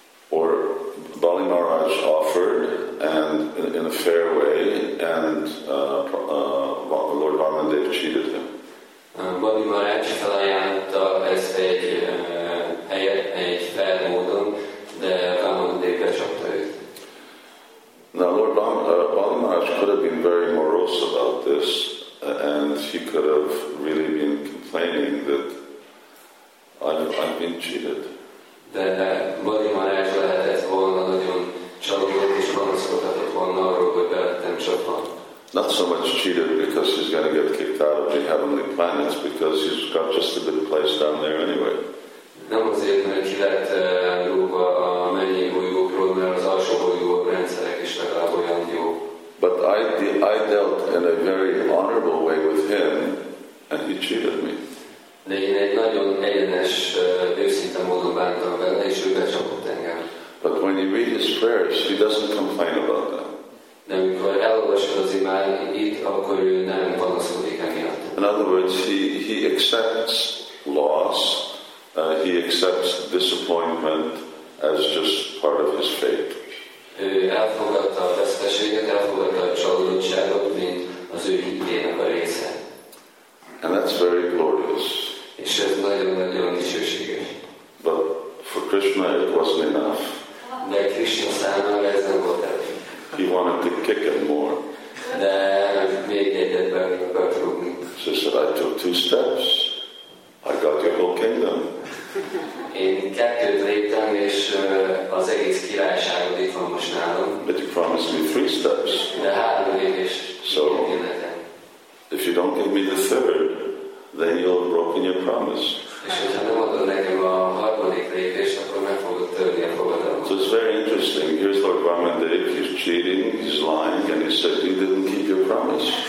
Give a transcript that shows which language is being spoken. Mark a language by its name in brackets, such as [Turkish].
[English] Bali Maharaj offered, and in a fair way, and Lord Vamadeva cheated him. [Hungarian] Bali Maharaj felajánlotta ezt egy fair módon, de Vamadeva csapta őt. [English] Now Lord Bali Maharaj could have been very morose about this, and he could have really been complaining that I've been cheated. [Hungarian] De Bali Maharaj lehetett volna nagyon csalódott és panaszkodhatott volna arról, hogy beletem csapva. [English] Not so much cheated because he's going to get kicked out of the heavenly planets, because he's got just a good place down there anyway. [Hungarian] Nem azért, mert ki lett rúgva a mennyi bolygókról, mert az alsó bolygók rendszerek is legalább olyan jó. [English] But I dealt in a very honorable way with him, and he cheated me. [Hungarian] De én egy nagyon egyenes, őszinte módon bántam vele, és ő becsapott engem. [English] But when you read his prayers, he doesn't complain about that. [Hungarian] De amikor elolvasod az imáit, akkor ő nem panaszkodik emiatt. [English] In other words, he accepts loss, he accepts disappointment as just part of his fate. [Hungarian] Ő elfogadta a veszteséget, elfogadta a csalódottságot, mint az ő hitének a része. [English] And that's very glorious. [Hungarian] És ez nagyon-nagyon dicsőséges. [English] But for Krishna it wasn't enough. [Hungarian] De Krishna számára ez nem volt elég. [English] He wanted to kick it more. [Hungarian] De még egyet meg akart rúgni. [English] So he said, I took two steps. I got your whole kingdom. [Hungarian] Én kettőt léptem, és az egész királyságod itt van most nálam. [English] But you promised me three steps. [Hungarian] De három lépés. [English] So, if you don't give me the third, then you'll have broken your promise. [Hungarian] És hogyha nem adod nekem a harmadik lépést, akkor meg fogod törni a fogadalmat. [English] So it's very interesting. Here's Lord Vamadev, he's cheating, he's lying, and he said, you didn't keep your promise.